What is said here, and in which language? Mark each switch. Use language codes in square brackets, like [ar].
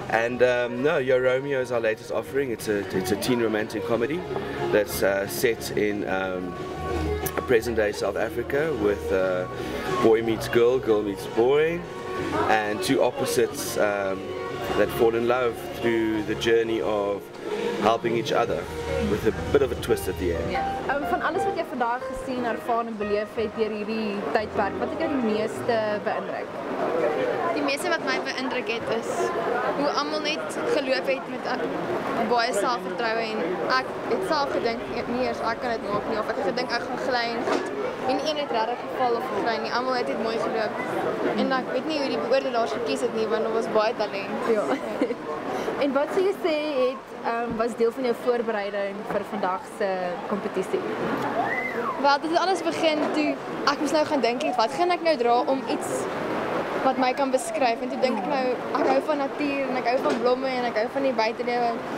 [en] And Yo Romeo is our latest offering. It's a teen romantic comedy that's set in present day South Africa, with boy meets girl, girl meets boy, and two opposites that fall in love through the journey of helping each other, with a bit of a twist at the end. Yeah. [af] Van alles wat jy vandaag gesien, ervaar en beleef het deur hierdie tydperk, wat het jou die meeste beïndruk? Die meeste wat my beïndruk het is hoe almal net geloof het met baie selfvertroue, en ek het self gedink, nie eers ek kan dit maak nie, of ek het gedink ek gaan gly en goed, en nie een het redder geval of gly nie, almal het dit mooi geloof, en ek weet nie hoe die beoordelaars gekies het nie, want dit was baie talent. Ja. En wat sou jy sê het was deel van jou voorbereiding vir vandag se kompetisie? Wel, dit het alles begin toe ek moes nou gaan dink, wat gaan ek nou dra om iets wat my kan beskryf, en toe dink ek nou, ek hou van natuur, en ek hou van blomme, en ek hou van die buitelewe.